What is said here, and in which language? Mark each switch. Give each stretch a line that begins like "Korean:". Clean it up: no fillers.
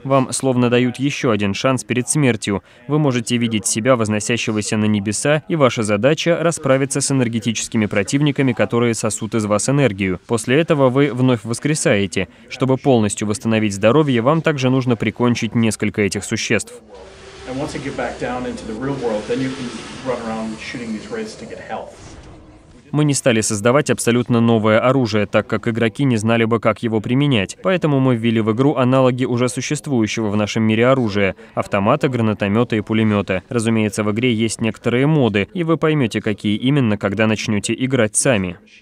Russian: Вам словно дают еще один шанс перед смертью. Вы можете видеть себя, возносящегося на небеса, и ваша задача — расправиться с энергетическими противниками, которые сосут из вас энергию. После этого вы вновь воскресаете. Чтобы полностью восстановить здоровье, вам также нужно прикончить несколько этих существ.
English: And once you get back down into the real world, then you can run around shooting these wraiths to get health.
Russian: Мы не стали создавать абсолютно новое оружие, так как игроки не знали бы, как его применять. Поэтому мы ввели в игру аналоги уже существующего в нашем мире оружия — автоматы, гранатометы и пулеметы. Разумеется, в игре есть некоторые моды, и вы поймете, какие именно, когда начнете играть сами.